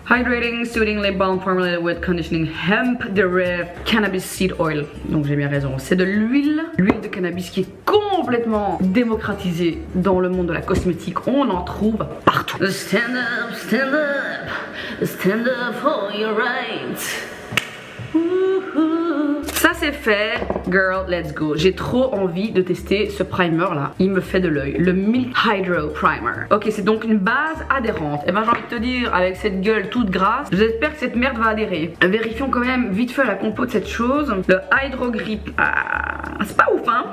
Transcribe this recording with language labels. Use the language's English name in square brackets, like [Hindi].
[English] Hydrating, soothing lip balm formulated with conditioning hemp derived cannabis seed oil. [French] Donc j'ai bien raison. C'est de l'huile. L'huile de cannabis qui est complètement démocratisée dans le monde de la cosmétique. On en trouve partout. [English] Stand up, stand up, stand up for your rights. [French] Ça c'est fait, [English] girl, let's go. [French] J'ai trop envie de tester ce primer là. Il me fait de l'œil, le Milk Hydro Primer. Ok, c'est donc une base adhérente. Et ben j'ai envie de te dire, avec cette gueule toute grasse, j'espère que cette merde va adhérer. Vérifions quand même vite fait la compo de cette chose. Le Hydro Grip, ah, c'est pas ouf hein.